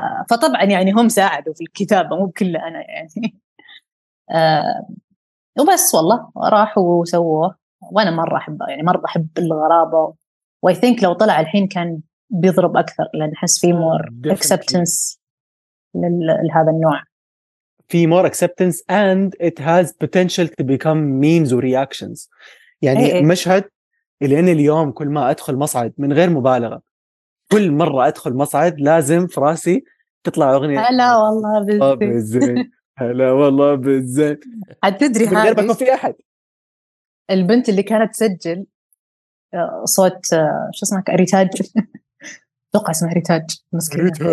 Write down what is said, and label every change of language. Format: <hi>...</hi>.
<ar>فطبعا يعني هم ساعدوا في الكتابة مو بكل أنا يعني. وبس والله راحوا وسووه وأنا مرة أحبه يعني مرة أحب الغرابة. و</ar> <en>I think</en> <ar>لو طلع الحين كان بيضرب أكثر لأن حس في</ar> <en>more acceptance</en> <ar>لهذا النوع. في</ar> <en>more acceptance and it has potential to become memes or reactions.</en> <ar>يعني أي مشهد اللي أنا اليوم كل ما أدخل مصعد من غير مبالغة كل مرة أدخل مصعد لازم في راسي تطلع أغنية هلا والله بالزين هلا والله بالزين عاد تدري هذه غير ما في أحد. البنت اللي كانت تسجل صوت شو اسمك ريتاج توقع اسمها ريتاج مسكينة</ar>